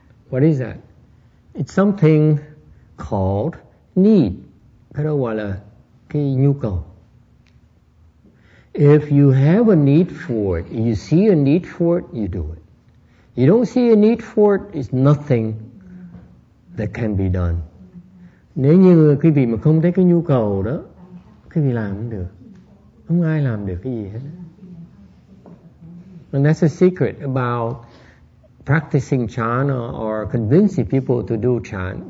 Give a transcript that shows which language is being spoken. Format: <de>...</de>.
<en>What is that? It's something called need.</en> <vi>Cái đó gọi là cái nhu cầu.</vi> <en>If you have a need for it, you see a need for it, you do it. You don't see a need for it, it's nothing that can be done.</en> <vi>Nếu như quý vị mà không thấy cái nhu cầu đó, quý vị làm không được. Không ai làm được cái gì hết.</vi> <en>And that's a secret about practicing chan or convincing people to do chan.</en>